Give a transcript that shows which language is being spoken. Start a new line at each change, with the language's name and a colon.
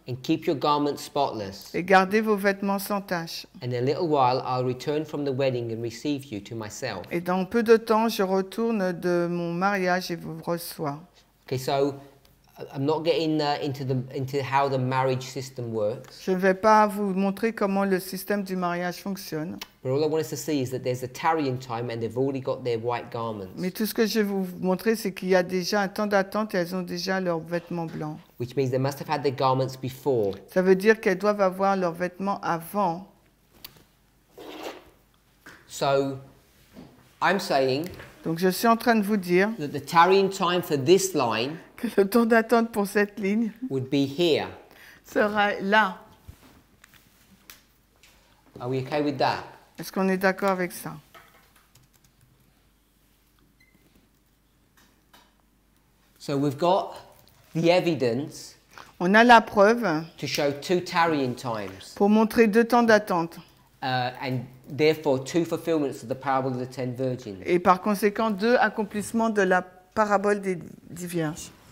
English: And keep your garments spotless.
French: Et gardez vos vêtements sans tache.
English: And in a little while, I'll return from the wedding and receive you to myself.
French: Et dans peu de temps, je retourne de mon mariage et vous reçois.
English: Okay, so I'm not getting into how the marriage system works.
French: Je ne vais pas vous montrer comment le système du mariage fonctionne.
English: But all I want us to see is that there's a tarrying time and they've already got their white garments.
French: Mais tout ce que je vais vous montrer, c'est qu'il y a déjà un temps d'attente et elles ont déjà leurs vêtements blancs.
English: Which means they must have had their garments before.
French: Ça veut dire qu'elles doivent avoir leurs vêtements avant.
English: So, I'm saying.
French: Donc je suis en train de vous dire.
English: That the tarrying time for this line.
French: Que le temps d'attente pour cette ligne.
English: Would be here.
French: Sera là.
English: Are we okay with that?
French: Est-ce qu'on est d'accord avec ça?
English: So we've got the evidence.
French: On a la preuve
English: to show two tarrying times.
French: Pour montrer deux temps d'attente.
English: And therefore two fulfillments of the parable of the ten virgins.
French: Et par conséquent deux accomplissements de la parabole des dix vierges.